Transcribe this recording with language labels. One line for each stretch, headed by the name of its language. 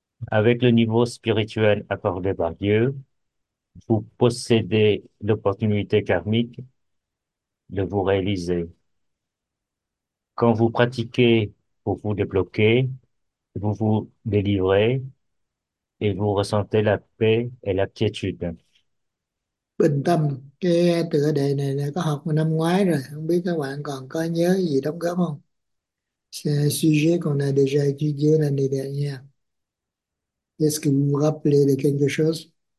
French: Avec le niveau spirituel accordé par Dieu, vous possédez l'opportunité karmique de vous réaliser. Quand vous pratiquez pour vous débloquer, vous vous délivrez et vous ressentez la paix et l'aptitude.
Vietnamese: Bình tâm, cái tựa đề này là có học năm ngoái rồi, không biết các bạn còn có nhớ gì đóng góp không?
French: Sujet qu'on a déjà étudié l'année dernière. Est-ce que vous vous rappelez de quelque chose?